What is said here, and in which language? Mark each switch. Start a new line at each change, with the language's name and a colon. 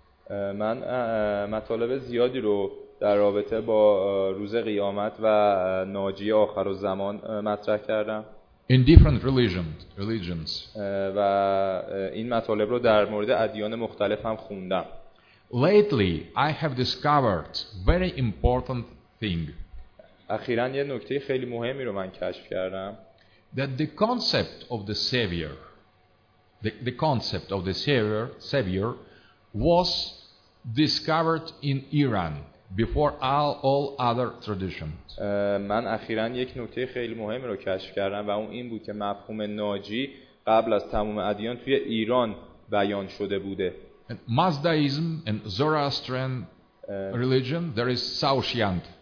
Persian: من مطالب زیادی رو در رابطه با روز قیامت و ناجی آخر الزمان مطرح کردم.
English: In different religions.
Persian: و این مطالب رو در مورد ادیان مختلف هم خوندم.
English: Lately, I have discovered very important thing.
Persian: اخیراً یه نکته خیلی مهمی رو من کشف کردم.
English: That the concept of the savior, the concept of the savior was discovered in Iran. Before all other traditions.
Persian: من اخیراً یک نکته خیلی مهم رو کشف کردم و اون این بود که مفهوم ناجی قبل از تمام ادیان توی ایران بیان شده بوده.
English: Mazdaism and Zoroastrian religion, there is Saoxiang.